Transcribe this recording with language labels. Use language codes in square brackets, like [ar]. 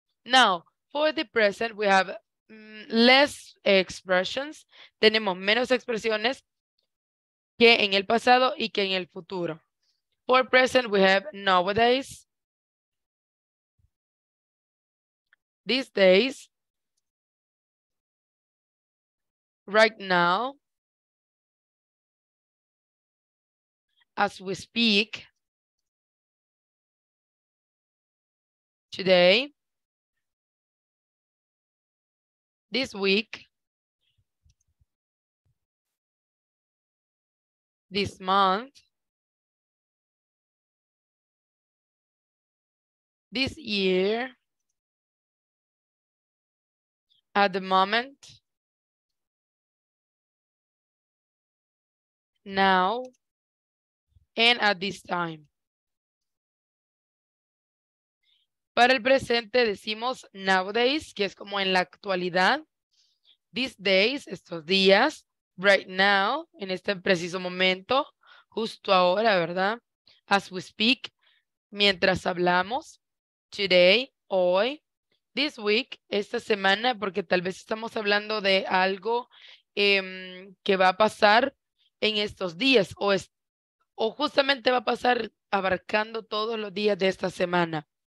[en] Now, for the present, we have less expressions. [es] Tenemos menos expresiones que en el pasado y que en el futuro. [en] For present, we have nowadays, these days, right now, as we speak, today, this week, this month, this year, at the moment, now, and at this time. [es] Para el presente decimos nowadays, que es como en la actualidad. [en] These days, [es] estos días. [en] Right now, [es] en este preciso momento. justo ahora, ¿verdad? [en] As we speak, [es] mientras hablamos, today, hoy, [en] this week, [es] esta semana, porque tal vez estamos hablando de algo que va a pasar en estos días, o justamente va a pasar abarcando todos los días de esta semana.